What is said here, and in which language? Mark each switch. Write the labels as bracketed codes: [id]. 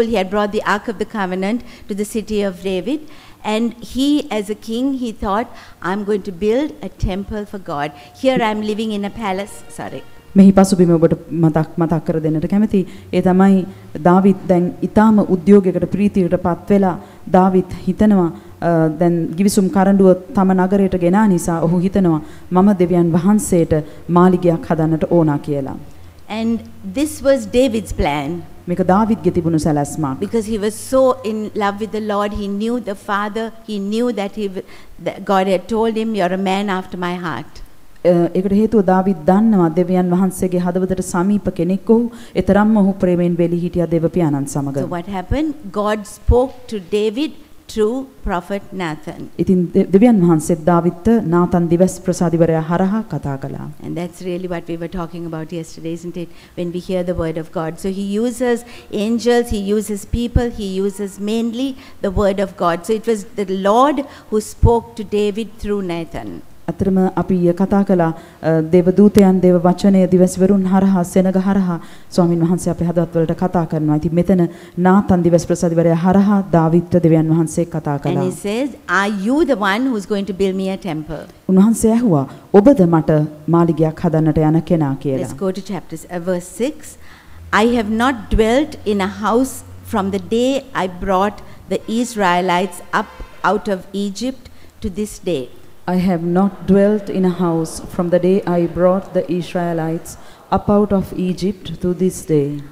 [en] He had brought the Ark of the Covenant to the city of David. And he, as a king, he thought, I'm going to build a temple for God. Here I'm living in a palace. Sorry. [si] මෙහි පසුබිම ඔබට මතක් කර දෙන්නට කැමති ඒ තමයි දාවිත් දැන් ඊටම උද්‍යෝගයකට ප්‍රීතියට පත් වෙලා දාවිත් හිතනවා දැන් ගිවිසුම් කරඬුව තම නගරයට ගෙන ආ නිසා ඔහු හිතනවා මම දෙවියන් වහන්සේට මාලිගයක් හදන්නට ඕනා කියලා. [en] And this was David's plan. [si] මේක දාවිත්ගේ තිබුණු සැලැස්මක්. [en] Because he was so in love with the Lord, he knew the Father, he knew that God had told him, you're a man after my heart. [si] ඒකට හේතුව දාවිත් දන්නවා දෙවියන් වහන්සේගේ හදවතට සමීප කෙනෙක් ඔහු. එතරම්ම ඔහු ප්‍රේමයෙන් වෙලී හිටියා දේවපියාණන් සමග. [en] So what happened? God spoke to David through prophet Nathan. [si] ඉතින් දෙවියන් වහන්සේ දාවිත්ට නාතන් දිවස් ප්‍රසාදිවරයා හරහා කතා කළා. [en] And that's really what we were talking about yesterday, isn't it? When we hear the word of God. So he uses angels, he uses people, he uses mainly the word of God. So it was the Lord who spoke to David through Nathan. [si] අතරම අපි කතා කළා දේව දූතයන් දේව වචනය දිවස්වරුන් හරහා සෙනග හරහා ස්වාමින් වහන්සේ අපේ හදවත් වලට කතා කරනවා. ඉතින් මෙතන නාතන් දිවස් ප්‍රසාදිවරයා හරහා දාවිත්ට දෙවියන් වහන්සේ කතා කළා. [en] And he says, "Are you the one who's going to build me a temple?" [si] උන්වහන්සේ ඇහුවා, "ඔබද මට මාලිගයක් හදන්නට යන කෙනා කියලා." [en] Let's go to chapter 6. I have not dwelt in a house from the day I brought the Israelites up out of Egypt to this day. I have not dwelt in a house from the day I brought the Israelites up out of Egypt to this day.